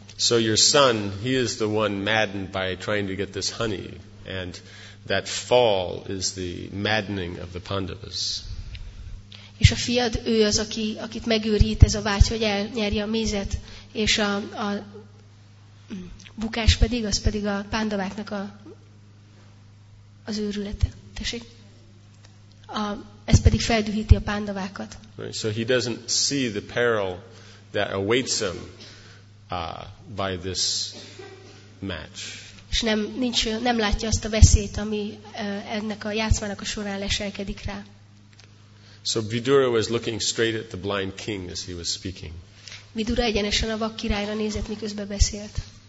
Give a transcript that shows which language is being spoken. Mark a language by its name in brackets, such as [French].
[English] So your son, he is the one maddened by trying to get this honey, and that fall is the maddening of the Pandavas. [Hungarian] És a fiad, ő az, akit megőrít ez a vágy, hogy elnyerje a mézet, és a bukás pedig, az pedig a Pandaváknak az őrülete. Tessék? Ez pedig feldühíti a Pandavákat. [English] Right, so he doesn't see the peril that awaits him by this match. [Hungarian] És nem látja azt a veszélyt, ami ennek a játszmának a során leselkedik rá. [English] So Vidura was looking straight at the blind king as he was speaking. [Hungarian] Vidura egyenesen a vak királyra nézett, miközben beszélt.